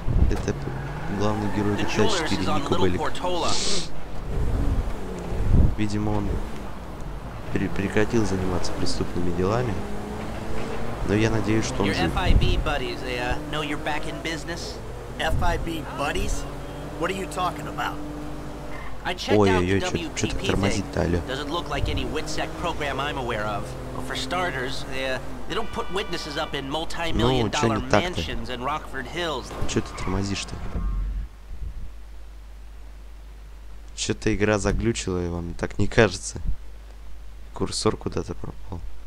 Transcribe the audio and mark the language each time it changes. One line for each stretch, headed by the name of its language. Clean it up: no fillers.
Russian: Это главный герой GTA 4, Нико Беллик. Видимо, он прекратил заниматься преступными делами. Но я надеюсь, что он жив.
English: FIB buddies, they know you're back in business. FIB buddies? What are you talking about? I checked out the WPP thing. Doesn't look like any WITSEC program I'm aware of. Well, for starters, they don't put witnesses up in multi-million dollar mansions in Rockford Hills.
Russian: Че ты тормозишь-то? Че-то игра заглючила, и вам так не кажется? Курсор куда-то пропал.